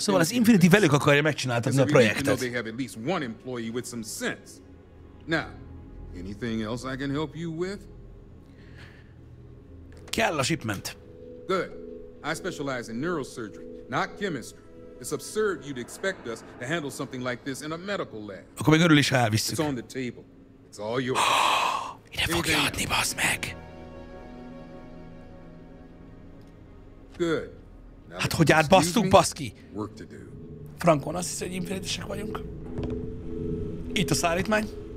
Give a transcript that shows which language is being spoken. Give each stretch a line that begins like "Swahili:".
Hungarian: Szóval az Infinity velük akarja megcsináltatni a projektet.
English: They have at least one employee with some sense. Now, anything else I can help you with?
Hungarian: Kell a shipment.
English: Good. I specialize in neurosurgery, not chemistry. It's absurd you'd expect us to handle something like this in a medical lab.
Hungarian: Akkor még örül is, ha elvisszük.
English: It's on the table. It's all yours.
Hungarian: Ide fogja adni, bassz meg.
English: Good.
Hungarian: Hát hogy átbasztunk, baszki? Frankon, azt hiszem, hogy infinitisek vagyunk. Itt a szállítmány.